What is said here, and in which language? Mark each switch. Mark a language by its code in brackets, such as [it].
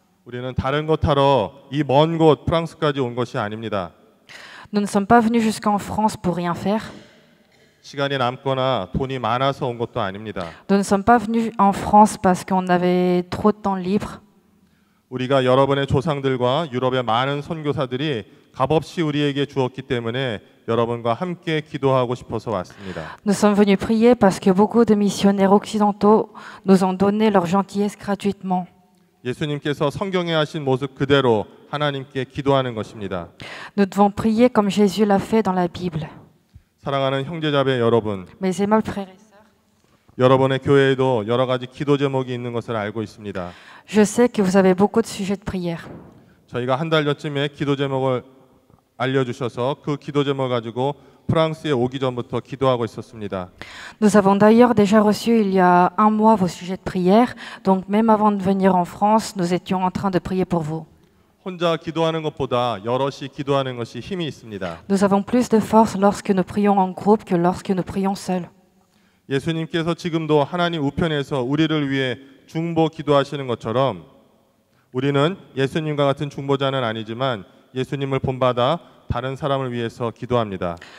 [ko] 우리는 다른 것 하러 이 먼 곳 프랑스까지 온 것이 아닙니다. [fr] Nous ne sommes pas venus jusqu'en France pour rien faire. [ko] 시간이 남거나 돈이 많아서 온 것도 아닙니다. [fr] Nous ne sommes pas venus en France parce qu'on avait trop de temps libre. [ko] 우리가 여러분의 조상들과 유럽의 많은 선교사들이 값없이 우리에게 주었기 때문에 여러분과 함께 기도하고 싶어서 왔습니다. [fr] Nous sommes venus prier parce que beaucoup de missionnaires occidentaux nous ont donné leur gentillesse gratuitement. [ko] 예수님께서 성경에 하신 모습 그대로 하나님께 기도하는 것입니다. [fr] Nous devons prier comme Jésus l'a fait dans la Bible. [ko] 사랑하는 형제자매 여러분, [fr] Mes aimables frères et sœurs. [ko] 여러분의 교회에도 여러 가지 기도 제목이 있는 것을 알고 있습니다. [fr] Je sais que vous avez beaucoup de sujets de prière. [ko] 저희가 한 달여쯤에 기도 제목을 알려주셔서 그 기도 제목을 가지고 프랑스에 오기 전부터 기도하고 있었습니다. [fr] Nous avons d'ailleurs déjà reçu il y a un mois vos sujets de prière. Donc même avant de venir en France, nous étions en train de prier pour vous. [ko] 혼자 기도하는 것보다 여럿이 기도하는 것이 힘이 있습니다. [fr] Nous avons plus de force lorsque nous prions en groupe que lorsque nous prions seuls. [ko] 예수님께서 지금도 하나님 우편에서 우리를 위해 중보 기도하시는 것처럼 우리는 예수님과 같은 중보자는 아니지만 예수님을 본받아 다른 사람을 위해서 기도합니다.